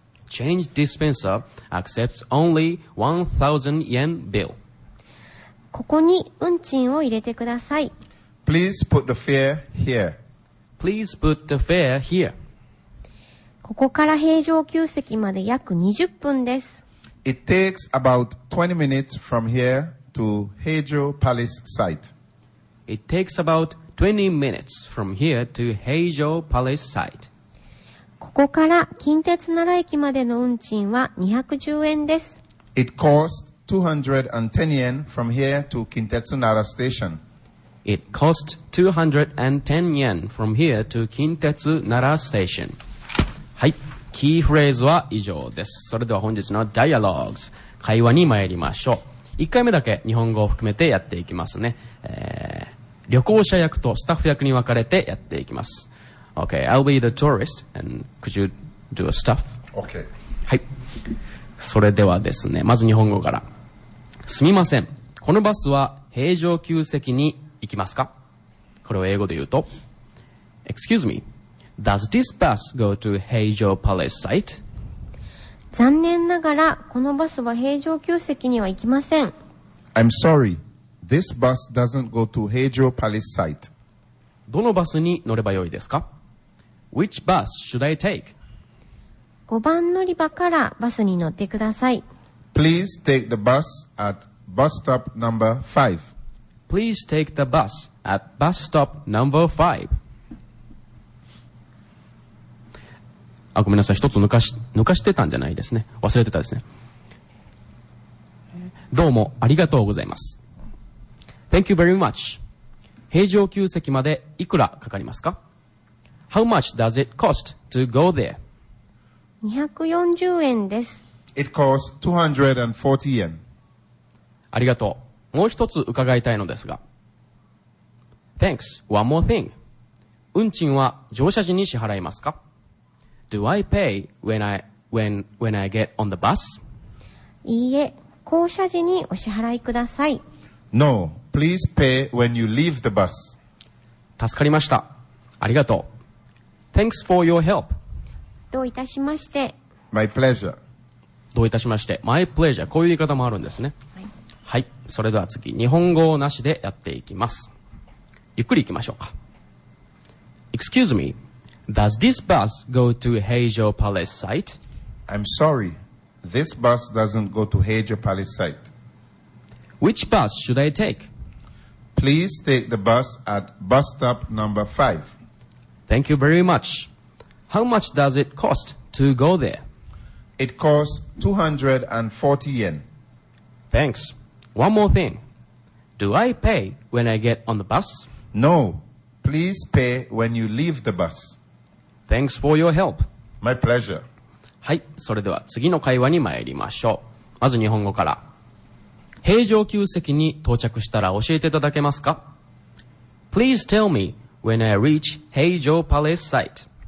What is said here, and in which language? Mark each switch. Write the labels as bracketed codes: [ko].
[en] Change dispenser accepts only 1,000 yen bill. [ja] ここに運賃を入れてください。 [en] Please put the fare here. Please put the fare here. [ja] ここから平常宮跡まで約20分です。 [en] It takes about 20 minutes from here to Heijō Palace site. It takes about 20 minutes from here to Heijō Palace site. [ja] ここから近鉄奈良駅までの運賃は210円です。 [en] It costs 210 yen from here to Kintetsu Nara Station. It cost 210 yen from here to Kintetsu Nara Station. [ja] はい、キーフレーズは以上です。それでは本日のダイアログス、会話に参りましょう。 1回目だけ日本語を含めてやっていきますね。旅行者役とスタッフ役に分かれてやっていきます。 [en] Okay, I'll be the tourist and could you do a stuff? Okay. [ja] はい。それではですね、まず日本語から。すみません。このバスは平常宮跡に行きますか? これを英語で言うと。 [en] Excuse me. Does this bus go to 平常 Palace site? [ja] 残念ながら、このバスは平常宮跡には行きません。 [en] I'm sorry. This bus doesn't go to 平常 Palace site. [ja] どのバスに乗ればよいですか? [en] Which bus should I take? [ja] 5番乗り場からバスに乗ってください。 [en] Please take the bus at bus stop number 5. Please take the bus at bus stop number 5. [ja] あ、ごめんなさい。一つ抜かしてたんじゃないですね。忘れてたですね。どうもありがとうございます。 [en] Thank you very much. [ja] 平常宮跡までいくらかかりますか? [en] How much does it cost to go there? [ja] 240円です。 [en] It costs 240 yen. [ja] ありがとう。もう一つ伺いたいのですが。 [en] Thanks. One more thing. [ja] 運賃は乗車時に支払いますか? [en] Do I pay when I get on the bus? [ja] いいえ。降車時にお支払いください。 [en] No. Please pay when you leave the bus. [ja] 助かりました。ありがとう。 [en] Thanks for your help. [ja] どういたしまして。 [en] My pleasure. [ja] どういたしまして。 [en] My pleasure. [ja] こういう言い方もあるんですね。はい。はい。それでは次、日本語なしでやっていきます。ゆっくり行きましょうか。 [en] Excuse me. Does this bus go to Heijō Palace site? I'm sorry. This bus doesn't go to Heijō Palace site. Which bus should I take? Please take the bus at bus stop number 5. Thank you very much. How much does it cost to go there? It costs 240 yen. Thanks. One more thing. Do I pay when I get on the bus? No. Please pay when you leave the bus. Thanks for your help. My pleasure. [ja] はい、それでは次の会話に参りましょう。まず日本語から。平常級席に到着したら教えていただけますか? [en] Please tell me when I reach 平常 Palace site.